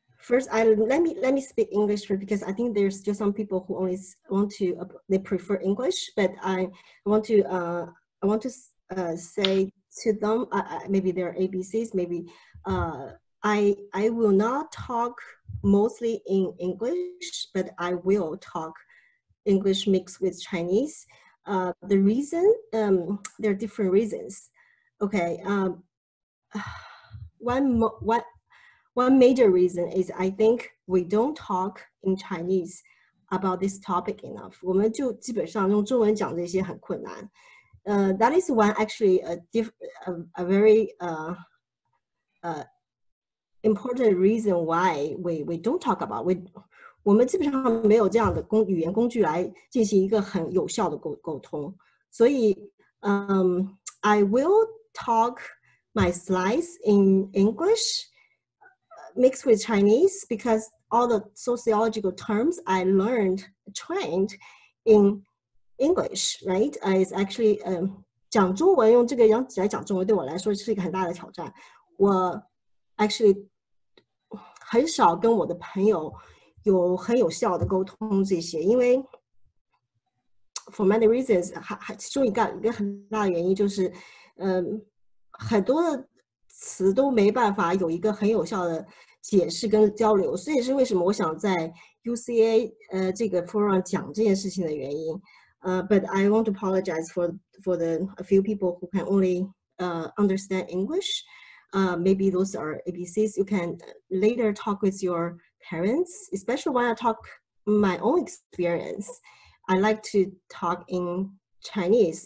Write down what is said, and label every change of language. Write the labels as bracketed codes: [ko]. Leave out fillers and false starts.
[en] Let me speak English first because I think there's still some people who only want to they prefer English, but I want to say to them maybe they're ABCs, maybe I will not talk mostly in English, but I will talk English mixed with Chinese. The reason, there are different reasons. Okay, one major reason is I think we don't talk in Chinese about this topic enough. [zh] 我们就基本上用中文讲这些很困难。 [en] That is one actually a very important reason why we don't talk about it. [zh] 我们基本上没有这样的语言工具来进行一个很有效的沟通。 [en] 所以, I will talk my slides in English mixed with Chinese because all the sociological terms I learned, trained in English, right? It's actually, [zh] 讲中文用这个样子来讲中文对我来说是一个很大的挑战。我 actually 很少跟我的朋友有很有效的沟通这些, 因为 [en] for many reasons, [zh] 其中一个很大的原因就是, 很多词都没办法有一个很有效的解释跟交流, 所以是为什么我想在 UCA 这个 forum 讲这件事情的原因。 [en] But I want to apologize for the a few people who can only understand English. Maybe those are ABCs. You can later talk with your parents, especially when I talk my own experience. I like to talk in Chinese.